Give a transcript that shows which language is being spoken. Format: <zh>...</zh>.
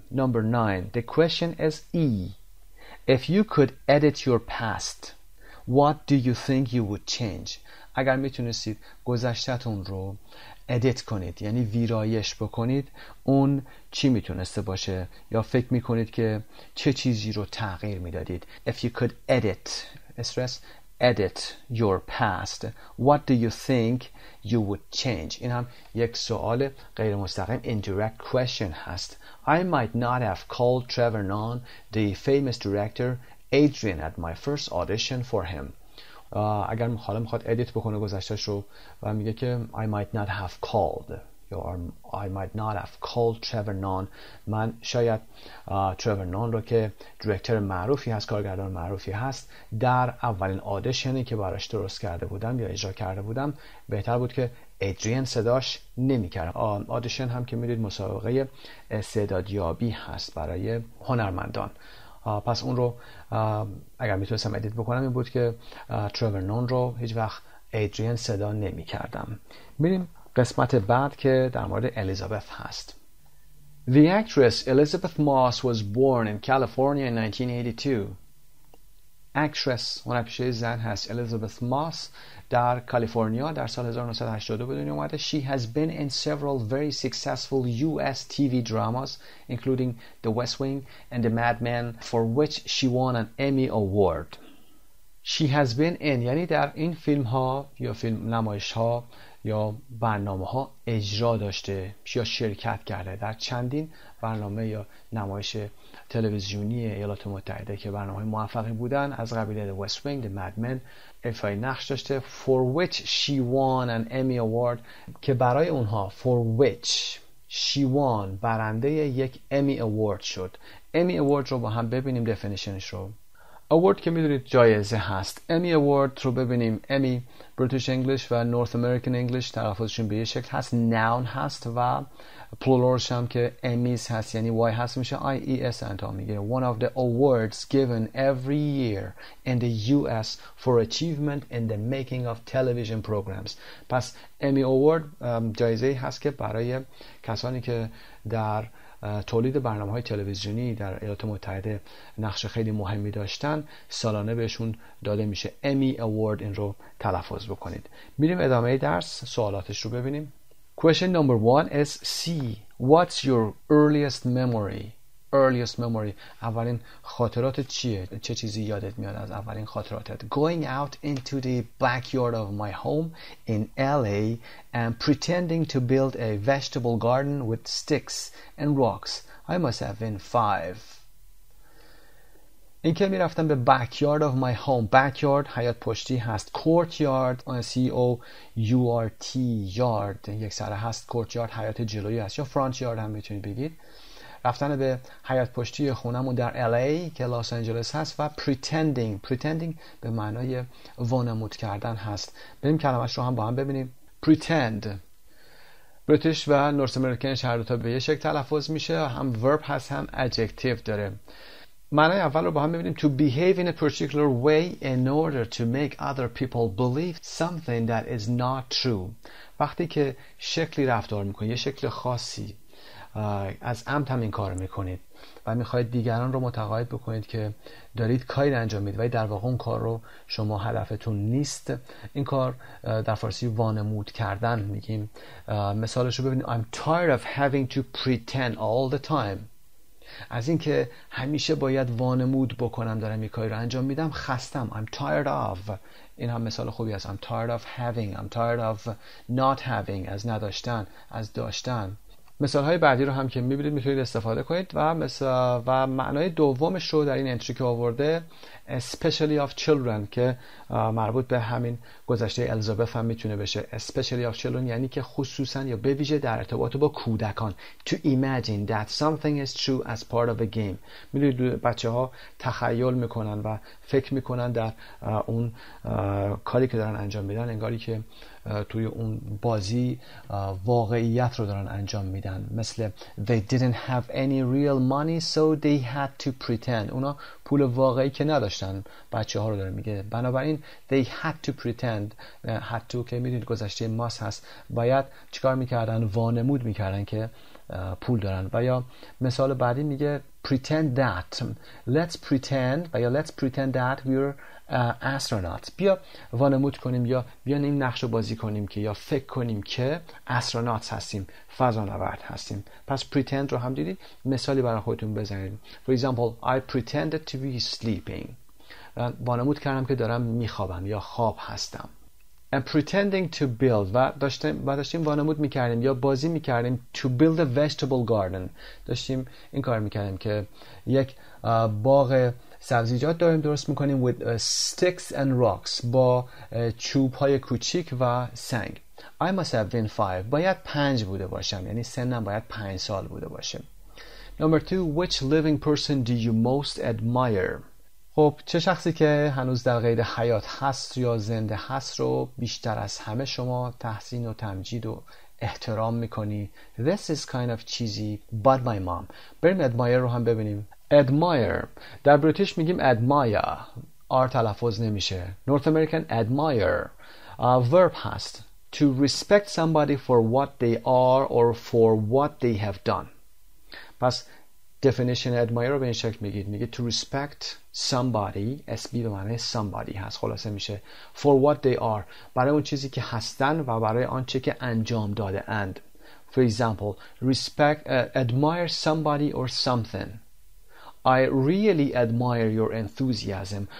<en>Number 9. The question is E. If you could edit your past, what do you think you would change?</en> <fa>اگر میتونستید گذشتتون رو ادیت کنید، یعنی ویرایش بکنید، اون چی میتونسته باشه؟ یا فکر میکنید که چه چیزی رو تغییر میدادید؟</fa> <en>If you could edit, stress, edit your past, what do you think you would change?</en> <fa>این هم یک سوال غیر مستقیم indirect question هست.</fa> <en>I might not have called Trevor Nunn, the famous director Adrian at my first audition for him.</en> <fa>اگر حالا میخواد ادیت بکنه گذشتش رو و میگه که</fa> <en>I might not have called or I might not have called Trevor Nunn.</en> <fa>من شاید Trevor Nunn رو که دایرکتور معروفی هست، کارگردان معروفی هست، در اولین آدیشنی که براش درست کرده بودم یا اجرا کرده بودم بهتر بود که ادریان صداش نمیکردم. آدیشن هم که میدید مسابقه استعدادیابی هست برای هنرمندان. پس اون رو اگر میتونستم ادیت بکنم این بود که تریور نون رو هیچ وقت ادریان صدا نمی کردم. میریم قسمت بعد که در مورد الیزابت هست.</fa> <en>The actress Elizabeth Moss was born in California in 1982.</en> <fa>Actress هنرپیشه زن هست. Elizabeth Moss در کالیفرنیا در سال 1982 به دنیا اومده.</fa> <en>She has been in several very successful US TV dramas including The West Wing and The Mad Men for which she won an Emmy award. She has been in</en> <fa>یعنی در این فیلم ها یا فیلم نمایش ها یا برنامه ها اجرا داشته یا شرکت کرده در چندین برنامه یا نمایش تلویزیونی ایالات متحده که برنامه های موفقی بودن از قبیل The West Wing, The Mad Men ایفای نقش داشته.</fa> <en>For which she won an Emmy award</en> <fa>که برای اونها</fa> <en>for which she won</en> <fa>برنده یک</fa> <en>Emmy award شد. Emmy award</en> <fa>رو با هم ببینیم دفنیشنش رو. اوورد که میدونید جایزه هست. امی اوورد رو ببینیم. امی بریتیش انگلیش و نورث امریکن انگلیش تلفظشون به یه شکل هست. نون هست و پلورش هم که امیز هست یعنی وای هست میشه IES انتام میگه.</fa> <en>One of the awards given every year in the US for achievement in the making of television programs.</en> <fa>پس امی اوورد جایزه هست که برای کسانی که در تولید برنامه‌های تلویزیونی در ایالات متحده نقش خیلی مهمی داشتن سالانه بهشون داده میشه. Emmy Award این رو تلفظ بکنید. میریم ادامه درس سوالاتش رو ببینیم.</fa> <en>Question number 1 is C. What's your earliest memory? Earliest memory</en> <fa>اولین خاطرات چیه؟ چه چیزی یادت میاد از اولین خاطراتت؟</fa> <en>Going out into the backyard of my home in LA and pretending to build a vegetable garden with sticks and rocks. I must have been 5.</en> <fa>این که می رفتم به</fa> <en>backyard of my home.</en> <fa>Backyard حیات پشتی هست. Courtyard C-O-U-R-T yard یک سره هست. Courtyard حیات جلویی هست. یا front yard هم می تونید بگید. رفتن به حیات پشتی خونمون در LA که لاس آنجلس هست و pretending به معنای وانمود کردن هست. بریم کلمش رو هم با هم ببینیم. Pretend بریتیش و نورث امریکنش هر دو تا به یه شکل تلفظ میشه. هم ورب هست هم ادجکتیو داره. معنای اول رو با هم ببینیم.</fa> <en>To behave in a particular way in order to make other people believe something that is not true.</en> <fa>وقتی که شکلی رفتار میکنی یه شکل خاصی از عمد هم این کار میکنید و میخواید دیگران رو متقاعد بکنید که دارید کاری انجام میدید ولی در واقع اون کار رو شما هدفتون نیست. این کار در فارسی وانمود کردن میگیم. مثالش رو ببینید.</fa> <en>I'm tired of having to pretend all the time.</en> <fa>از اینکه همیشه باید وانمود بکنم دارم یه کاری رو انجام میدم خستم.</fa> <en>I'm tired of.</en> <fa>این هم مثال خوبی هست.</fa> <en>I'm tired of having. I'm tired of not having.</en> <fa>از نداشتن. از داشتن. مثال های بعدی رو هم که میبینید میتونید استفاده کنید و و معنای دومش رو در این انتری که آورده</fa> <en>especially of children</en> <fa>که مربوط به همین گذشته الیزابت هم میتونه بشه.</fa> <en>especially of children</en> <fa>یعنی که خصوصا یا به ویژه در ارتباط با کودکان. to imagine that something is true as part of a game. میدونید بچه ها تخیل میکنن و فکر میکنن در اون کاری که دارن انجام میدن انگاری که توی اون بازی واقعیت رو دارن انجام میدن.</fa> <en>مثل they didn't have any real money so they had to pretend.</en> <fa>اونا پول واقعی که نداشتن بچه ها رو داره میگه.</fa> <en>بنابراین they had to pretend.</en> <fa>had to که میدونید گذشته must هست. باید چیکار میکردن؟ وانمود میکردن که پول دارن. و یا مثال بعدی میگه</fa> <en>pretend that. let's pretend</en> <fa>و یا</fa> <en>let's pretend that we're astronaut.</en> <fa>بیا وانمود کنیم یا بیان این نقش رو بازی کنیم که یا فکر کنیم که astronauts هستیم، فضانورد هستیم. پس pretend رو هم دیدید. مثالی برای خودتون بزنید.</fa> <en>For example, I pretended to be sleeping.</en> <fa>وانمود کردم که دارم میخوابم یا خواب هستم.</fa> <en>And pretending to build.</en> <fa>و داشتیم وانمود میکردیم یا بازی میکردیم.</fa> <en>To build a vegetable garden.</en> <fa>داشتیم این کار میکردیم که یک باغ سبزیجات داریم درست میکنیم</fa> <en>with sticks and rocks</en> <fa>با چوب های کوچیک و سنگ.</fa> <en>I must have been 5.</en> <fa>باید 5 بوده باشم یعنی سنم باید 5 سال بوده باشم.</fa> <en>Number 2. Which living person do you most admire?</en> <fa>خب چه شخصی که هنوز در قید حیات هست یا زنده هست رو بیشتر از همه شما تحسین و تمجید و احترام میکنی؟</fa> <en>This is kind of cheesy but my mom.</en> <fa>بریم admire رو هم ببینیم.</fa> <en>Admire.</en> <fa>در بریتیش میگیم admire. آر تلفظ نمیشه. North American admire. Verb هست.</fa> <en>To respect somebody for what they are or for what they have done.</en> <fa>پس definition admire رو به این شکل میگید. میگه</fa> <en>to respect somebody.</en> <fa>SB به معنی somebody هست. خلاصه میشه.</fa> <en>For what they are.</en> <fa>برای اون چیزی که هستن و برای آن چه که انجام داده اند.</fa> <en>For example, respect, admire somebody or something. I really admire your enthusiasm.</en>